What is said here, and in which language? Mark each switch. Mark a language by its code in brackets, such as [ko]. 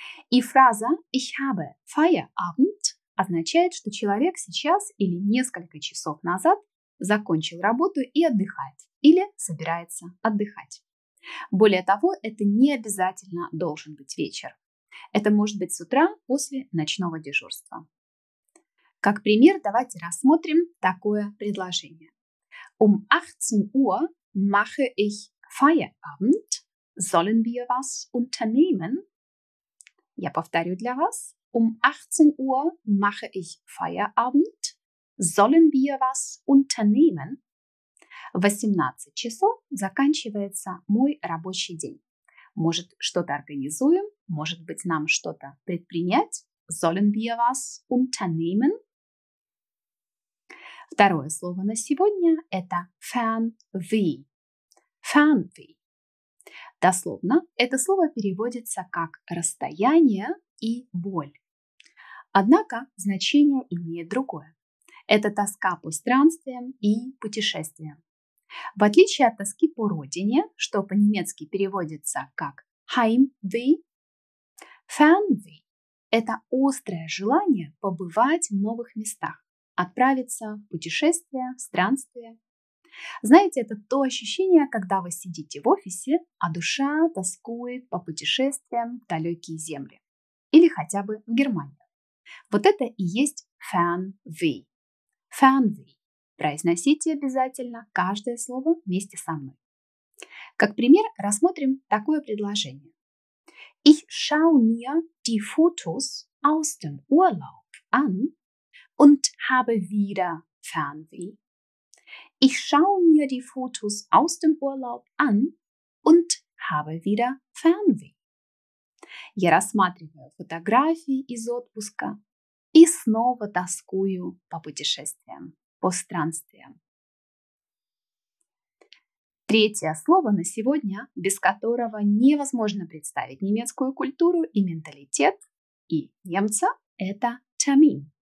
[ru] И фраза [de] «ich habe Feierabend» [ru] означает, что человек сейчас или несколько часов назад закончил работу и отдыхает или собирается отдыхать. Более того, это не обязательно должен быть вечер. Это может быть с утра после ночного дежурства. Как пример, давайте рассмотрим такое предложение. [de] Um 18 Uhr mache ich Feierabend. Sollen wir was unternehmen? [ru] Я повторю для вас. [de] Um 18 Uhr mache ich Feierabend. Sollen wir was unternehmen? [ru] В 18 часов заканчивается мой рабочий день. Может, что-то организуем? Может быть, нам что-то предпринять? [de] Sollen wir was unternehmen? [ru] Второе слово на сегодня – это Fernweh. [de] Fernweh. [ru] Дословно это слово переводится как «расстояние» и «боль». Однако значение имеет другое. Это тоска по странствиям и путешествиям. В отличие от тоски по родине, что по-немецки переводится как Heimweh, Fernweh – это острое желание побывать в новых местах, отправиться в путешествия, в странствия. Знаете, это то ощущение, когда вы сидите в офисе, а душа тоскует по путешествиям в далекие земли или хотя бы в Германию. Вот это и есть Fernweh. [de] Fernweh. [ru] Произносите обязательно каждое слово вместе со мной. Как пример, рассмотрим такое предложение. [de] Ich schaue mir die Fotos aus dem Urlaub an und habe wieder Fernweh. Ich schaue mir die Fotos aus dem Urlaub an und habe wieder Fernweh. [ru] Я рассматриваю фотографии из отпуска и снова тоскую по путешествиям, по странствиям. Третье слово на сегодня, без которого невозможно представить немецкую культуру и менталитет, и немца, это Termin.